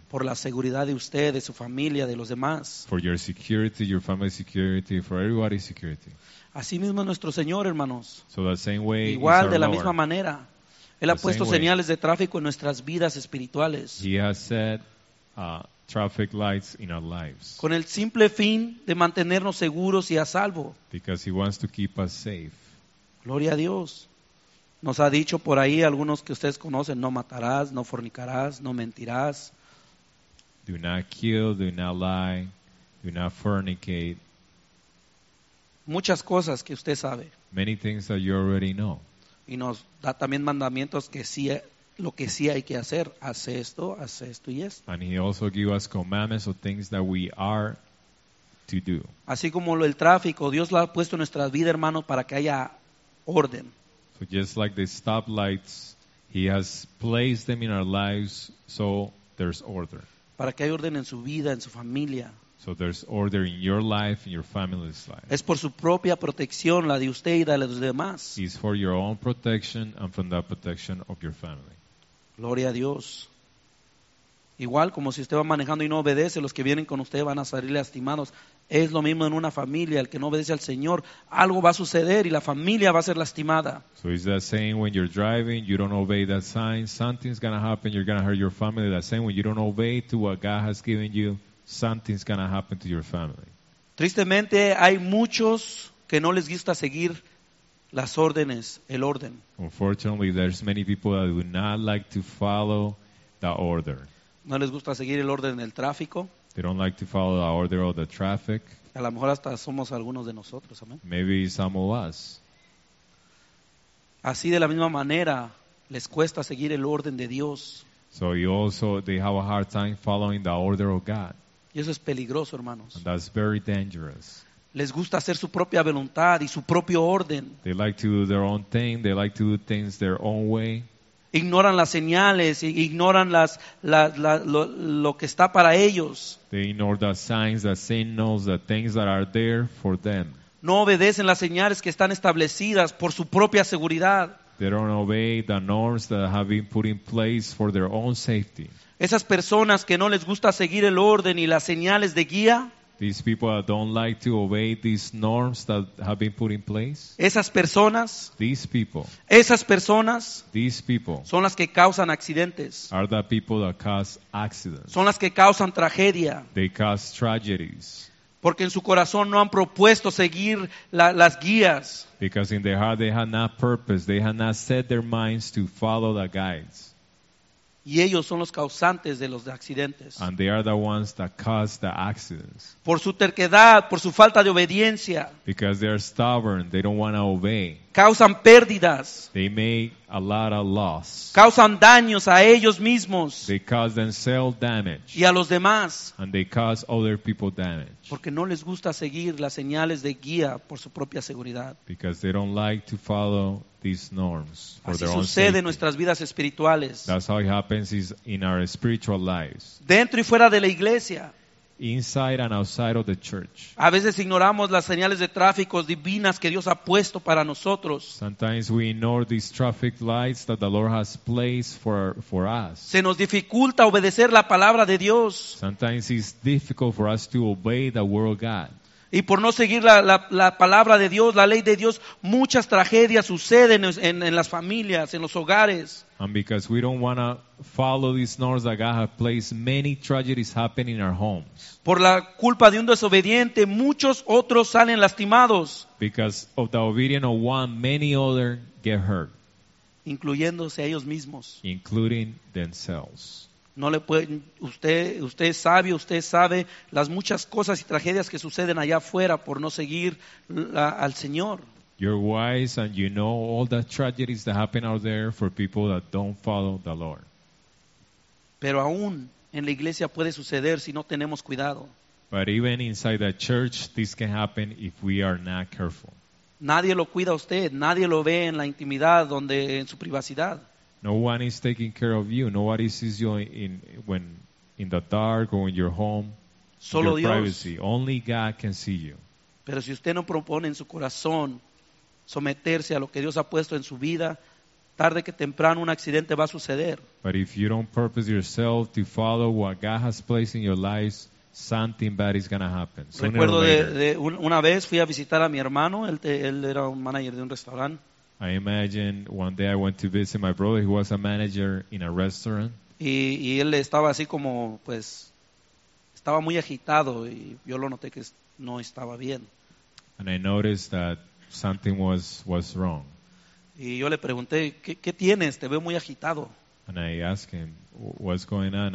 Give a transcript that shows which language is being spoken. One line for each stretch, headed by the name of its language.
Spanish: Por la seguridad de usted, de su familia, de los demás.
English: For your security, your family security, for everybody's security.
Spanish: Así mismo nuestro Señor, hermanos.
English: So the same way
Spanish: igual, de la
English: Lord.
Spanish: Misma manera. Él ha puesto señales de tráfico en nuestras vidas espirituales.
English: He has said, traffic lights in our lives.
Spanish: Con el simple fin de mantenernos seguros y a salvo.
English: Because he wants to keep us safe.
Spanish: Gloria a Dios. Nos ha dicho por ahí algunos que ustedes conocen, no matarás, no fornicarás, no mentirás.
English: Do not kill, do not lie, do not fornicate.
Spanish: Muchas cosas que usted sabe.
English: Many things that you already know.
Spanish: Y nos da también mandamientos que sí. Lo que sí hay que hacer, hace esto y esto.
English: And he also gives us commandments of things that we are to do.
Spanish: Así como el tráfico, Dios lo ha puesto en nuestra vida, hermano, para que haya orden.
English: So just like the stoplights, He has placed them in our lives so there's order.
Spanish: Para que haya orden en su vida, en su familia.
English: So there's order in your life, in your family's life.
Spanish: Es por su propia protección, la de usted y la de los demás.
English: It's for your own protection and from that protection of your family.
Spanish: Gloria a Dios. Igual como si usted va manejando y no obedece, los que vienen con usted van a salir lastimados. Es lo mismo en una familia, el que no obedece al Señor, algo va a suceder y la familia va a ser lastimada.
English: So it's the same when you're driving, you don't obey that sign, something's going to happen, you're going to hurt your family. The same when you don't obey to what God has given you, something's going to happen to your family.
Spanish: Tristemente, hay muchos que no les gusta seguir las órdenes, el orden.
English: Unfortunately, there's many people that do not like to follow the order.
Spanish: No les gusta seguir el orden del tráfico.
English: They don't like to follow the order of the traffic.
Spanish: A lo mejor hasta somos algunos de nosotros, amén.
English: Maybe some of us.
Spanish: Así de la misma manera, les cuesta seguir el orden de Dios.
English: So you also, they have a hard time following the order of God.
Spanish: Y eso es peligroso, hermanos.
English: And that's very dangerous.
Spanish: Les gusta hacer su propia voluntad y su propio orden.
English: They like to do their own thing. They like to do things their own way.
Spanish: Ignoran las señales, ignoran lo que está para ellos.
English: They ignore the signs, the signals, the things that are there for them.
Spanish: No obedecen las señales que están establecidas por su propia seguridad.
English: They don't obey the norms that have been put in place for their own safety.
Spanish: Esas personas que no les gusta seguir el orden y las señales de guía.
English: These people that don't like to obey these norms that have been put in place.
Spanish: Esas personas.
English: These people.
Spanish: Esas personas.
English: These people.
Spanish: Son las que causan accidentes.
English: Are the people that cause accidents.
Spanish: Son las que causan tragedia.
English: They cause tragedies.
Spanish: Porque en su corazón no han propuesto seguir las guías.
English: Because in their heart they have not purpose. They have not set their minds to follow the guides.
Spanish: Y ellos son los causantes de los accidentes.
English: And they are the ones that cause the accidents.
Spanish: Por su terquedad, por su falta de obediencia.
English: Because they are stubborn, they don't want to obey.
Spanish: Causan pérdidas.
English: They make a lot of loss.
Spanish: Causan daños a ellos mismos.
English: They cause themselves damage.
Spanish: Y a los demás.
English: And they cause other people damage.
Spanish: Porque no les gusta seguir las señales de guía por su propia seguridad.
English: Because they don't like to follow these norms for
Spanish: Así
English: their
Spanish: sucede
English: own safety.
Spanish: En nuestras vidas espirituales.
English: That's how it happens is in our spiritual lives.
Spanish: Dentro y fuera de la iglesia.
English: Inside and outside of the church.
Spanish: A veces ignoramos las señales de tráfico divinas que Dios ha puesto para nosotros.
English: Sometimes we ignore these traffic lights that the Lord has placed for us.
Spanish: Se nos dificulta obedecer la palabra de Dios.
English: Sometimes it's difficult for us to obey the word of God.
Spanish: Y por no seguir la palabra de Dios, la ley de Dios, muchas tragedias suceden en las familias, en los hogares.
English: And because we don't want to follow these norms that God has placed, many tragedies happen in our homes.
Spanish: Por la culpa de un desobediente, muchos otros salen lastimados.
English: Because of the obedience of one, many others get hurt.
Spanish: Incluyéndose a ellos mismos.
English: Including themselves.
Spanish: No le pueden, usted sabe las muchas cosas y tragedias que suceden allá afuera por no seguir al Señor.
English: You're wise and you know all the tragedies that happen out there for people that don't follow the Lord.
Spanish: Pero aún en la iglesia puede suceder si no tenemos cuidado.
English: But even inside the church this can happen if we are not careful.
Spanish: Nadie lo cuida a usted, nadie lo ve en la intimidad, donde en su privacidad.
English: No one is taking care of you. Nobody sees you in the dark or in your home.
Spanish: Solo
English: your
Spanish: Dios.
English: Privacy. Only God can see you.
Spanish: Pero si usted no propone en su corazón someterse a lo que Dios ha puesto en su vida, tarde que temprano un accidente va a suceder.
English: But if you don't purpose yourself to follow what God has placed in your life, something bad is going to happen.
Spanish: Recuerdo de una vez fui a visitar a mi hermano. Él era un manager de un restaurante.
English: I imagine one day I went to visit my brother. He was a manager in a restaurant.
Spanish: Y él estaba así como, pues, estaba muy agitado y yo lo noté que no estaba bien.
English: And I noticed that something was wrong.
Spanish: Y yo le pregunté, ¿qué tienes? Te veo muy agitado.
English: And I asked him, what's going on?